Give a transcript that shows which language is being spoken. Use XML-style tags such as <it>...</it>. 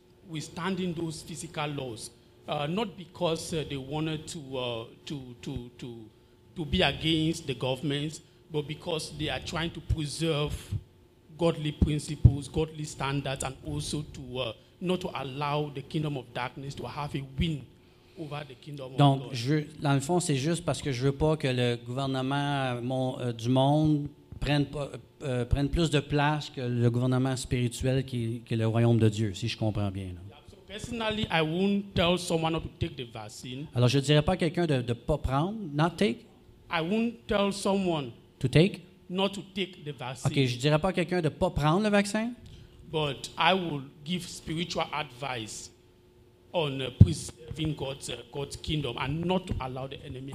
<en>Withstanding those physical laws, not because they wanted to be against the government, but because they are trying to preserve godly principles, godly standards, and also to not to allow the kingdom of darkness to have a win over the kingdom</en> <fr>Donc,</fr> <en>of God.</en> <fr>Donc, dans le fond, c'est juste parce que je veux pas que le gouvernement du monde prennent plus de place que le gouvernement spirituel qui est le royaume de Dieu, si je comprends bien. Alors, je ne dirais pas à quelqu'un de ne pas prendre,</fr> <en>not take. I won't tell someone to take. Not to take the vaccine.</en> <fr>OK, je ne dirais pas à quelqu'un de ne pas prendre le vaccin.</fr> <en>But I will give spiritual advice on preserving God's kingdom and not to allow the enemy</en>